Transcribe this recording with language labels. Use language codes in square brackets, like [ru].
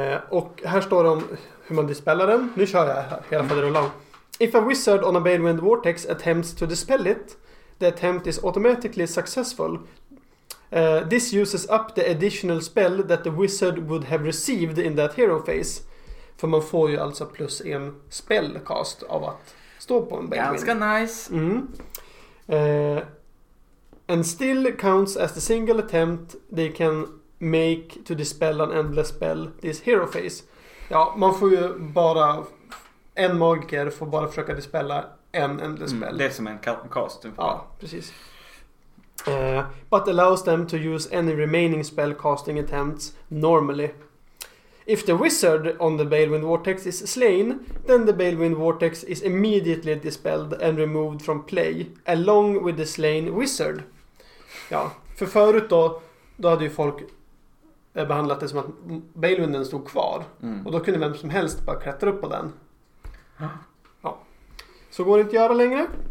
[sv] Och här står det om hur man dispellar den. Nu kör jag här, hela fall det rullar. [en] If a wizard on a Bailwind Vortex attempts to dispel it, the attempt is automatically successful. This uses up the additional spell that the wizard would have received in that hero phase. [sv] För man får ju alltså plus en spellcast av att stå på en Bailwind. Ganska nice. [en] And still counts as the single attempt they can make to dispel an endless spell this hero phase. [sv] Ja, man får ju bara... En magiker får bara försöka dispella en endless spell. Det är som en cast. Ja, precis. [en] But allows them to use any remaining spell casting attempts normally. If the wizard on the Bailwind Vortex is slain, then the Bailwind Vortex is immediately dispelled and removed from play, along with the slain wizard. [sv] Ja, för förut då hade ju folk behandlat det som att Bailwinden stod kvar. Mm. Och då kunde vem som helst bara klättra upp på den. Ja. Så går det inte att göra längre.